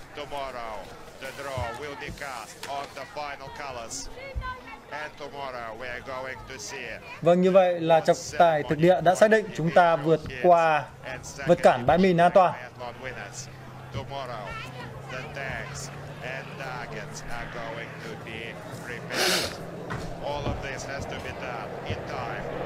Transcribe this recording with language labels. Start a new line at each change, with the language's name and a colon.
English: Tomorrow, the draw will be cast on the final colors. And tomorrow we are going to see.
Vietnamese: Vâng, như vậy là trọng tài thực địa đã xác định chúng ta vượt qua vật cản bãi mìn an toàn.
English: Tomorrow, the tanks and targets are going to be prepared. All of this has to be done in time.